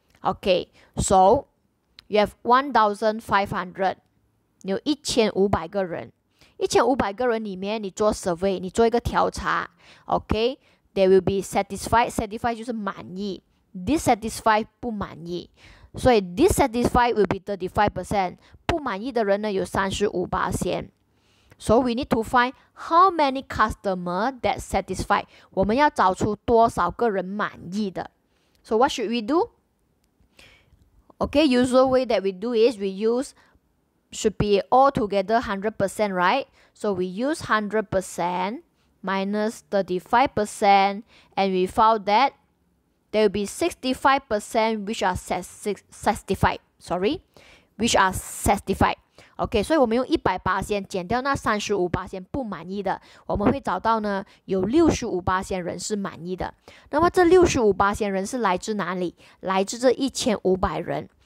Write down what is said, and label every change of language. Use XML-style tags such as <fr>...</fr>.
<en>Okay, so you have 1,500,</en> <zh>1,500个人里面你做survey,你做一个调查,</zh> <en>okay, they will be satisfied,</en> <zh>satisfied就是满意, dissatisfied不满意.</zh> <en>所以 dissatisfied will be 35%,</en> <zh>不满意的人呢有35%.</zh> <en>So we need to find how many customer that satisfied.</en> <zh>我们要找出多少个人满意的.</zh> <en>So what should we do? Okay, usual way that we do is we use should be all together 100%, right? So we use 100% minus 35% and we found that there will be 65% which are satisfied. Sorry, which are satisfied.</en> <zh>Okay, 所以我们用100%减掉那35%不满意的，我们会找到呢有65%人是满意的。那么这65%人是来自哪里？来自这1500人。</zh>